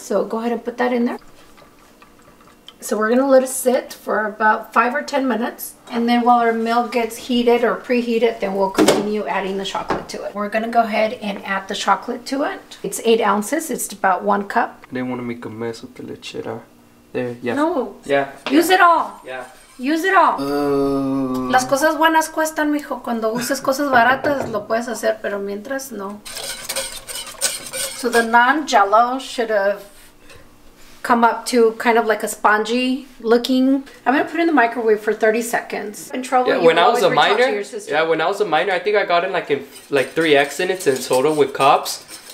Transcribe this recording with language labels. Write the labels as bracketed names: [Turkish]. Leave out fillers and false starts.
[English] So go ahead and put that in there. So we're gonna let it sit for about 5 or 10 minutes. And then while our milk gets heated or preheated, then we'll continue adding the chocolate to it. We're gonna go ahead and add the chocolate to it. It's 8 ounces, it's about 1 cup. I didn't wanna make a mess with the lechera. There, yeah. No. Yeah. Use it all. Yeah. Use it all. [Spanish] Las cosas buenas cuestan, mijo. Cuando uses cosas baratas, lo puedes hacer, pero mientras, no. [English] So the non-jello should have come up to kind of like a spongy looking. I'm gonna put it in the microwave for 30 seconds. In trouble, yeah, when I was a minor, I think I got in like 3 accidents in total with cops.